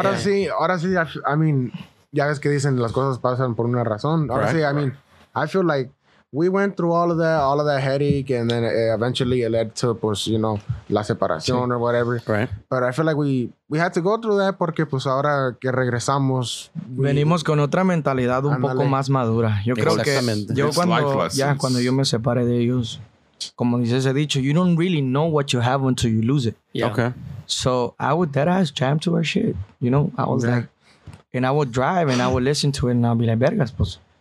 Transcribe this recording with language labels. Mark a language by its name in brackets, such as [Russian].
[Spanish] Ahora sí, [English] I mean, [Spanish] ya ves que dicen las cosas pasan por una razón. Ahora [English] right. [Spanish] sí, [English] I mean, I feel like we went through all of that headache and then eventually it led to, [Spanish] pues, [English] you know, [Spanish] la separación [English] or whatever. Right. But I feel like we had to go through that [Spanish] porque, pues, ahora que regresamos... Venimos con otra mentalidad un poco más madura. Yo creo que yo cuando yo me separé de ellos... Como dices, he dicho, [English] you don't really know what you have until you lose it. Yeah. Okay. So I would deadass jam to our shit. You know, I was like, and I would drive and I would listen to it and I'd be like, [Spanish] vergas, pues.